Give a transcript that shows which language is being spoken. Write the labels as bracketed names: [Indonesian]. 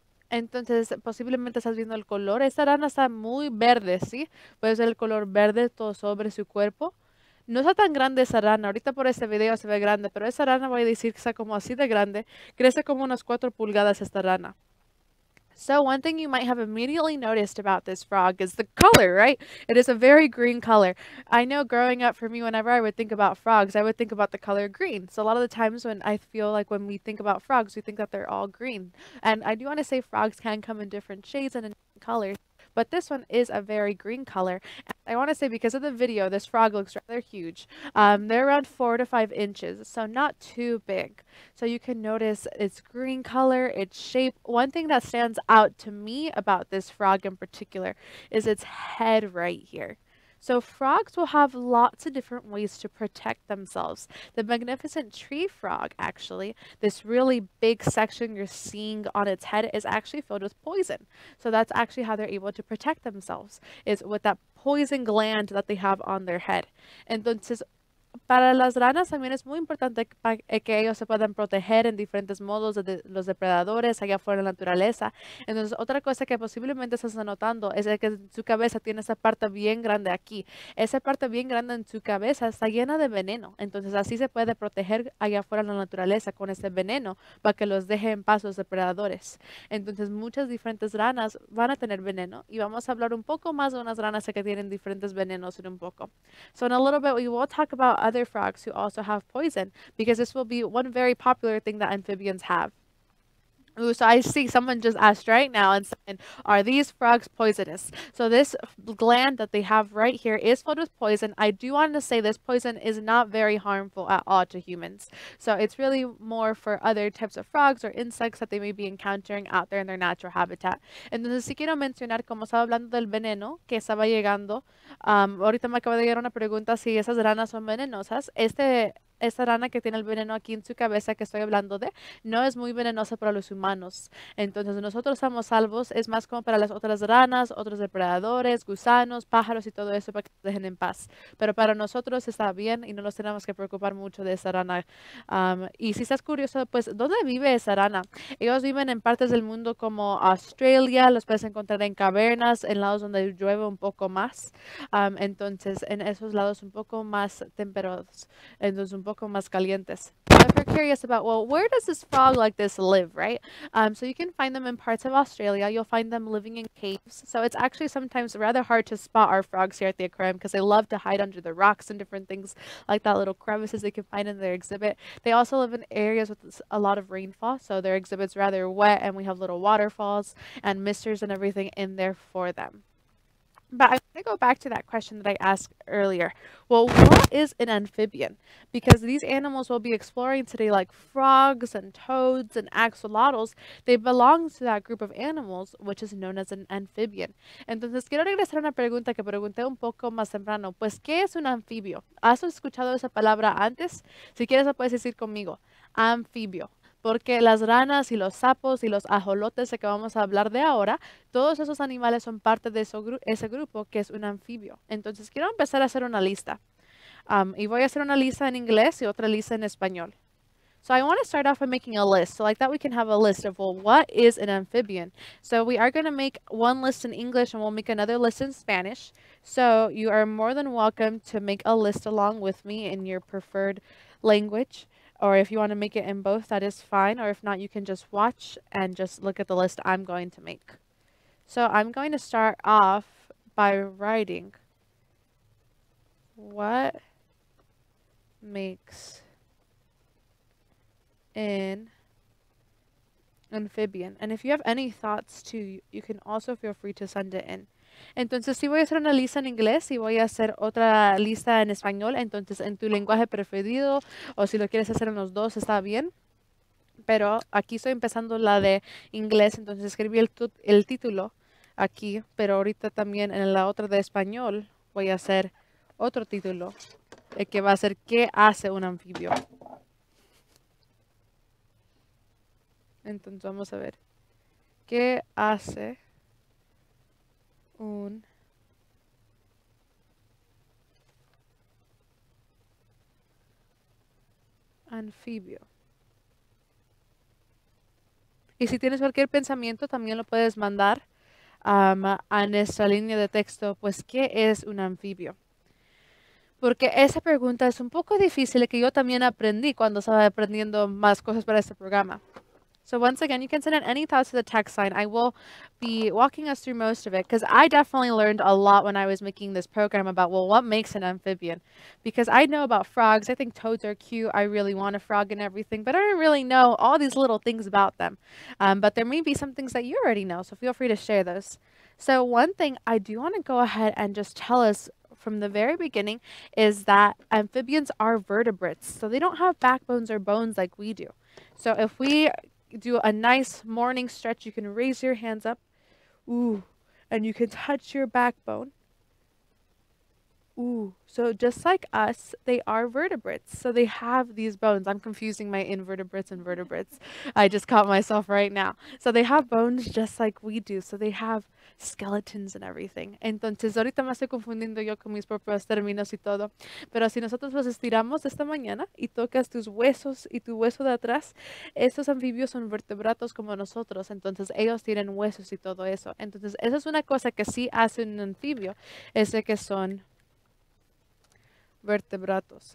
[Spanish] Entonces, posiblemente estás viendo el color. Esta rana está muy verde, ¿sí? Puedes ver el color verde todo sobre su cuerpo. No está tan grande esa rana. Ahorita por este video se ve grande, pero esa rana voy a decir que está como así de grande. Crece como unas 4 pulgadas esta rana. [English] So one thing you might have immediately noticed about this frog is the color, right? It is a very green color. I know growing up for me, whenever I would think about frogs, I would think about the color green. So a lot of the times when I feel like when we think about frogs, we think that they're all green. And I do want to say frogs can come in different shades and in different colors. But this one is a very green color. And I want to say because of the video, this frog looks rather huge. They're around 4 to 5 inches, so not too big. So you can notice its green color, its shape. One thing that stands out to me about this frog in particular is its head right here. So frogs will have lots of different ways to protect themselves. The magnificent tree frog, actually, this really big section you're seeing on its head is actually filled with poison. So that's actually how they're able to protect themselves, is with that poison gland that they have on their head. [Spanish] Entonces, para las ranas también es muy importante que ellos se puedan proteger en diferentes modos de los depredadores allá afuera en la naturaleza. Entonces, otra cosa que posiblemente estás notando es que su cabeza tiene esa parte bien grande aquí. Esa parte bien grande en su cabeza está llena de veneno. Entonces, así se puede proteger allá afuera en la naturaleza con ese veneno para que los deje en paz los depredadores. Entonces, muchas diferentes ranas van a tener veneno. Y vamos a hablar un poco más de unas ranas que tienen diferentes venenos en un poco. [English] So, in a little bit, we will talk about other other frogs who also have poison, because this will be one very popular thing that amphibians have. Ooh, so I see someone just asked right now and said, are these frogs poisonous? So this gland that they have right here is filled with poison. I do want to say this poison is not very harmful at all to humans. So it's really more for other types of frogs or insects that they may be encountering out there in their natural habitat. [Spanish] Entonces, sí quiero mencionar, como estaba hablando del veneno que estaba llegando, ahorita me acaba de llegar una pregunta si esas ranas son venenosas. Esta rana que tiene el veneno aquí en su cabeza que estoy hablando de, no es muy venenosa para los humanos. Entonces, nosotros estamos salvos. Es más como para las otras ranas, otros depredadores, gusanos, pájaros y todo eso para que se dejen en paz. Pero para nosotros está bien y no nos tenemos que preocupar mucho de esa rana. Y si estás curioso, pues, ¿dónde vive esa rana? Ellos viven en partes del mundo como Australia. Los puedes encontrar en cavernas, en lados donde llueve un poco más. Entonces, en esos lados un poco más temperados. Entonces, un poco más calientes. [English] If you're curious about, well, where does this frog like this live, right? So you can find them in parts of Australia. You'll find them living in caves. So it's actually sometimes rather hard to spot our frogs here at the aquarium because they love to hide under the rocks and different things like that, little crevices they can find in their exhibit. They also live in areas with a lot of rainfall. So their exhibit's rather wet and we have little waterfalls and misters and everything in there for them. But I'm going to go back to that question that I asked earlier. Well, what is an amphibian? Because these animals we'll be exploring today, like frogs and toads and axolotls, they belong to that group of animals, which is known as an amphibian. [Spanish] Entonces, quiero regresar a una pregunta que pregunté un poco más temprano. Pues, ¿qué es un anfibio? ¿Has escuchado esa palabra antes? Si quieres, la puedes decir conmigo. Anfibio. Porque las ranas y los sapos y los ajolotes de que vamos a hablar de ahora, todos esos animales son parte de ese grupo que es un anfibio. Entonces, quiero empezar a hacer una lista. Y voy a hacer una lista en inglés y otra lista en español. [English] So I want to start off by making a list. So like that we can have a list of, well, what is an amphibian? So we are going to make one list in English and we'll make another list in Spanish. So you are more than welcome to make a list along with me in your preferred language. Or if you want to make it in both, that is fine. Or if not, you can just watch and just look at the list I'm going to make. So I'm going to start off by writing what makes an amphibian. And if you have any thoughts too, you can also feel free to send it in. [Spanish] Entonces, sí voy a hacer una lista en inglés y voy a hacer otra lista en español. Entonces, en tu lenguaje preferido o si lo quieres hacer en los dos, está bien. Pero aquí estoy empezando la de inglés. Entonces, escribí el título aquí. Pero ahorita también en la otra de español voy a hacer otro título que va a ser ¿qué hace un anfibio? Entonces, vamos a ver. ¿Qué hace un anfibio? Y si tienes cualquier pensamiento, también lo puedes mandar a nuestra línea de texto, pues, ¿qué es un anfibio? Porque esa pregunta es un poco difícil, que yo también aprendí cuando estaba aprendiendo más cosas para este programa. [English] So once again, you can send in any thoughts to the text line. I will be walking us through most of it because I definitely learned a lot when I was making this program about, well, what makes an amphibian? Because I know about frogs. I think toads are cute. I really want a frog and everything, but I don't really know all these little things about them. But there may be some things that you already know, so feel free to share those. So one thing I do want to go ahead and just tell us from the very beginning is that amphibians are vertebrates. So they don't have backbones or bones like we do. So if we do a nice morning stretch, you can raise your hands up, ooh, and you can touch your backbone, ooh. So just like us, they are vertebrates, so they have these bones. I'm confusing my invertebrates and vertebrates. I just caught myself right now. So they have bones just like we do, so they have skeletons and everything. [Spanish] Entonces, ahorita me estoy confundiendo yo con mis propios términos y todo. Pero si nosotros los estiramos esta mañana y tocas tus huesos y tu hueso de atrás, estos anfibios son vertebrados como nosotros. Entonces, ellos tienen huesos y todo eso. Entonces, esa es una cosa que sí hace un anfibio, es de que son vertebrados.